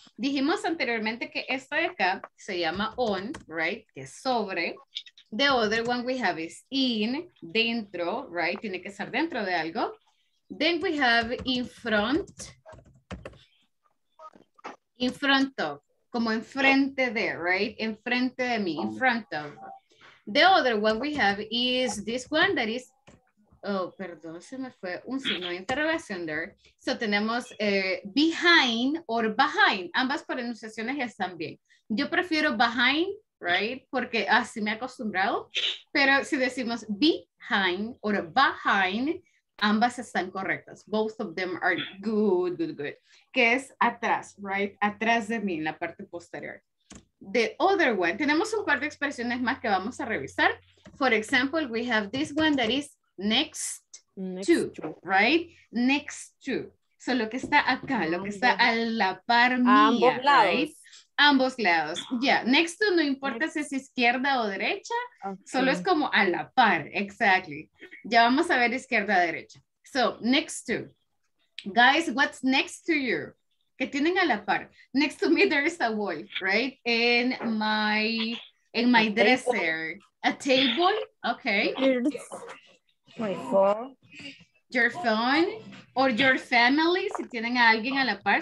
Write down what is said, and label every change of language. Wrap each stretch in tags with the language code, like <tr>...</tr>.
<es>Dijimos anteriormente que esta de acá se llama on, right? Que es sobre.</es> <en>The other one we have is in, dentro, right?</en> <es>Tiene que estar dentro de algo.</es> <en>Then we have in front of,</en> <es>como enfrente de, right? Enfrente de mí, in front of.</es> <en>The other one we have is this one that is.</en> <es>Oh, perdón, se me fue un signo de interrogación there. So tenemos behind or behind. Ambas pronunciaciones están bien. Yo prefiero behind, right? Porque así me he acostumbrado. Pero si decimos behind or behind, ambas están correctas.</es> <en>Both of them are good.</en> <es>Que es atrás,</es> <en>right?</en> <es>Atrás de mí, en la parte posterior.</es> <en>The other one.</en> <es>Tenemos un par de expresiones más que vamos a revisar.</es> <en>For example, we have this one that is Next to, right? Next to.</en> <es>So lo que está acá, lo que está a la par mía. A ambos lados. Right? Ambos lados. Yeah, next to no importa next. Si es izquierda o derecha, okay. Solo es como a la par, exactly. Ya vamos a ver izquierda o derecha. So next to.</es> <en>Guys, what's next to you?</en> <es>Que tienen a la par.</es> <en>Next to me, there is a wolf, right? In my dresser. Table. A table? Okay. My phone. Your phone? Or your family,</en> <es>si tienen a alguien a la par.</es>